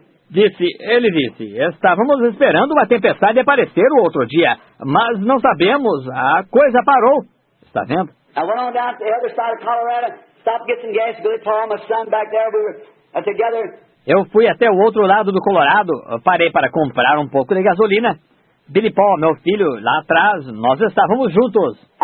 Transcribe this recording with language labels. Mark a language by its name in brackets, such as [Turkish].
[Portuguese] Ele disse, estávamos esperando uma tempestade aparecer o outro dia, mas não sabemos, a coisa parou. Está vendo? [English] I went on down to the other side of Colorado, stopped to get some gas, good for all my son back there, we were together. [Portuguese] Eu fui até o outro lado do Colorado, parei para comprar um pouco de gasolina. Billy Paul, meu filho, lá atrás, nós estávamos juntos.